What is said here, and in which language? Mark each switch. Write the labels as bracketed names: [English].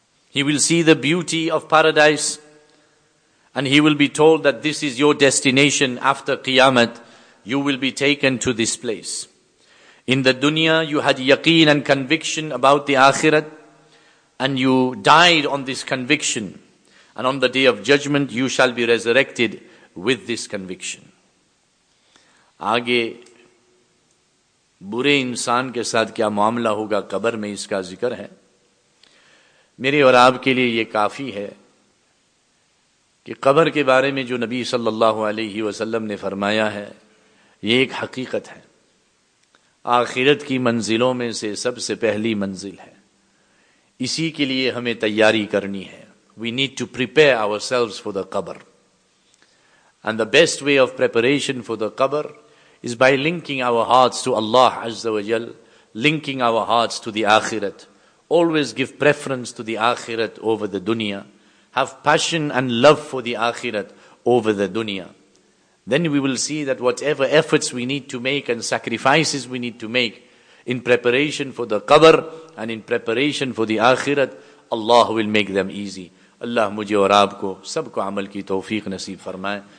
[English] He will see the beauty of paradise. And he will be told that this is your destination after Qiyamah. You will be taken to this place. In the dunya you had yaqeen and conviction about the akhirat. And you died on this conviction. And on the day of judgment you shall be resurrected with this conviction. [Urdu] آگے برے انسان کے ساتھ کیا معاملہ ہوگا قبر میں, اس کا ذکر ہے. میرے اور آپ کے لیے یہ کافی ہے کہ قبر کے بارے میں جو نبی صلی اللہ علیہ وسلم نے فرمایا ہے یہ ایک حقیقت ہے. آخرت کی منزلوں میں سے سب سے پہلی منزل ہے. اسی کے لیے ہمیں تیاری کرنی ہے. [English] We need to prepare ourselves for the qabr. And the best way of preparation for the qabr is by linking our hearts to Allah Azza wa Jal, linking our hearts to the akhirat. Always give preference to the akhirat over the dunya. Have passion and love for the akhirat over the dunya. Then we will see that whatever efforts we need to make and sacrifices we need to make in preparation for the qabr and in preparation for the akhirat, Allah will make them easy. [Urdu] اللہ مجھے اور آپ کو سب کو عمل کی توفیق نصیب فرمائے.